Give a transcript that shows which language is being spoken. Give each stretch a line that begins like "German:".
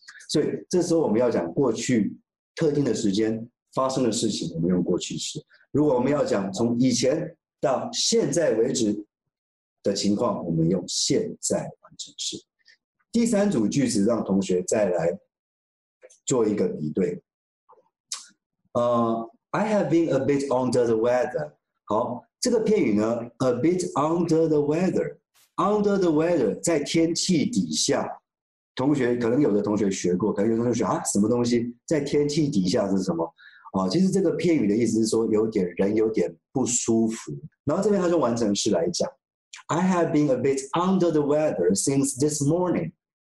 Chinese: 所以这时候我们要讲过去特定的时间发生的事情，我们用过去式。如果我们要讲从以前到现在为止的情况，我们用现在完成式。第三组句子让同学再来做一个比对。
English: I have been a bit under the weather。
Chinese: 好，这个片语呢 ，
English: a bit under the weather， under the weather
Chinese: 在天气底下，同学可能有的同学学过，可能有的同学学啊，什么东西在天气底下是什么？啊，其实这个片语的意思是说有点人有点不舒服。然后这边他就完成式来讲
English: ，I have been a bit under the weather since this morning。